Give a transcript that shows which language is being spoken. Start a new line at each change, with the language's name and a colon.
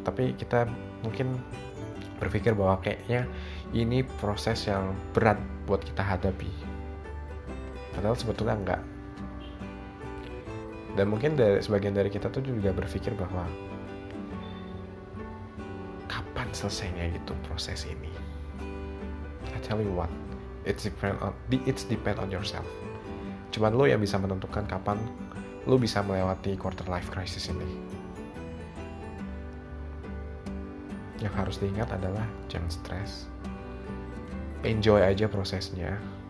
Indonesian: Tapi kita mungkin berpikir bahwa kayaknya ini proses yang berat buat kita hadapi. Padahal sebetulnya enggak. Dan mungkin sebagian dari kita tuh juga berpikir bahwa kapan kapan selesainya gitu proses ini.
English: I tell you what, it depends on yourself.
Indonesian: Cuman lo yang bisa menentukan kapan lo bisa melewati quarter life crisis ini. Yang harus diingat adalah jangan stres. Enjoy aja prosesnya.